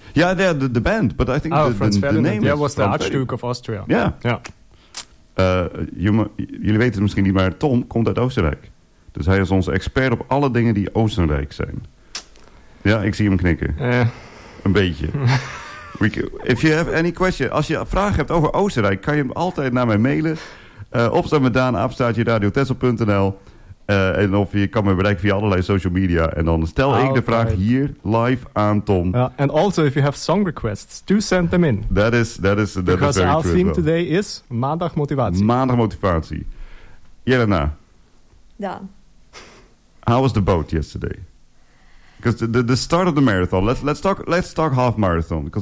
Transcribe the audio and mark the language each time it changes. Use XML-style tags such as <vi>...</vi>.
<en>Yeah, the band, but I think the name is... Yeah, was the Archduke of Austria. Yeah. Yeah.</en> <nl>Jullie weten het misschien niet, maar Tom komt uit Oostenrijk. Dus hij is onze expert op alle dingen die Oostenrijk zijn. Ja, ik zie hem knikken. Een beetje.</nl> <en>If you have any question,</en> <nl>als je vragen hebt over Oostenrijk, kan je hem altijd naar mij mailen. Opstaan met Daan, apenstaartje radiotessel.nl. En of je kan me bereiken via allerlei social media. En dan stel ik de vraag hier live aan Tom.</nl> <en>And also, if you have song requests, do send them in. That is very true. Because our theme today is</en> <nl>maandag motivatie. Maandag motivatie. Jelena. Daan.</nl> <en>How was the boat yesterday? Because the start of the marathon. Let's talk half marathon.</en>